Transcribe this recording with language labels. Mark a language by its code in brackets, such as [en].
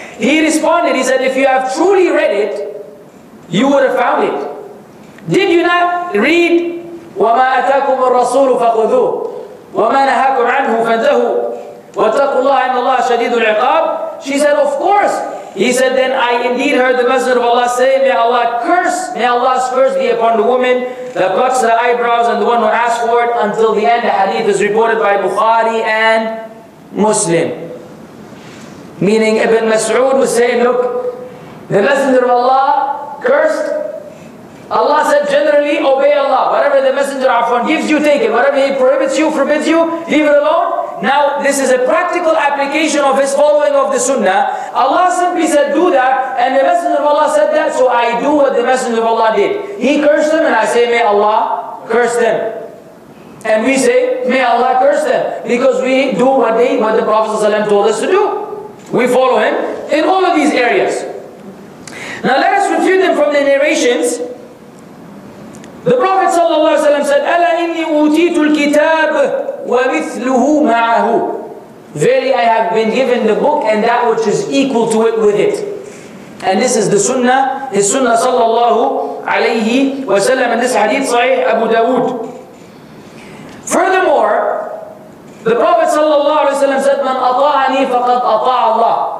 [en] He responded, he said, if you have truly read it, you would have found it. Did you not read, [ar] وَمَا أَتَاكُمُ الرَّسُولُ فَقُذُوهُ وَمَا نَهَاكُمْ عَنْهُ فَانْتَهُوا وَاتَّقُوا اللَّهَ إِنَّ اللَّهَ شَدِيدُ الْعِقَابِ. [en] She said, of course. He said, then I indeed heard the Messenger of Allah say, May Allah's curse be upon the woman that plucks the eyebrows and the one who asks for it until the end. The hadith is reported by Bukhari and Muslim. Meaning Ibn Mas'ud was saying, look, the Messenger of Allah cursed. Allah said, generally, obey Allah. Whatever the Messenger of Allah gives you, take it. Whatever he prohibits you, forbids you, leave it alone. Now, this is a practical application of his following of the Sunnah. Allah simply said, do that, and the Messenger of Allah said that, so I do what the Messenger of Allah did. He cursed them, and I say, may Allah curse them. And we say, may Allah curse them, because we do what the Prophet ﷺ told us to do. We follow him in all of these areas. Now, let us refute them from the narrations. The Prophet ﷺ said, [ar] أَلَا إِنِّي أُوتِيتُ الْكِتَابِ وَمِثْلُهُ مَعَهُ. [en] Verily, I have been given the book and that which is equal to it with it. And this is the sunnah, his sunnah sallallahu alayhi wa sallam, and this hadith sahih Abu Dawood. Furthermore, the Prophet sallallahu alayhi wa sallam said, [ar] مَنْ أَطَاعَنِي فَقَدْ أَطَاعَ اللَّهِ.